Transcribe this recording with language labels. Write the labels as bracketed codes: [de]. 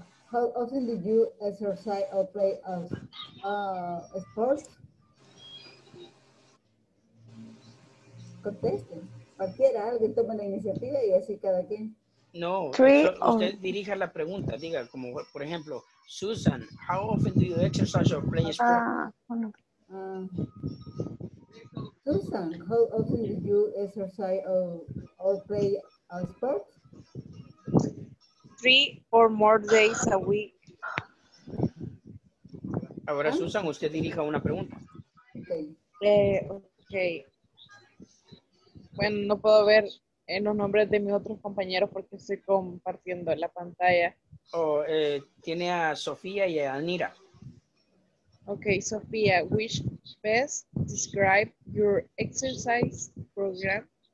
[en] How often did you exercise or play a sport? [es] Contesten. Cualquiera, alguien toma la iniciativa y así cada quien. No, usted dirija la pregunta. Diga, como por ejemplo, Susan, [en] how often do you exercise or play a sport? Susan, how often did you exercise or play a sport? 3 or more days a week. [es] Ahora, Susan, usted dirija una pregunta. [en] Okay. [es] Bueno, no puedo ver en los nombres de mis otros compañeros porque estoy compartiendo la pantalla. Tiene a Sofía y a Anira. [en] Okay, Sofía, which best describe your exercise program?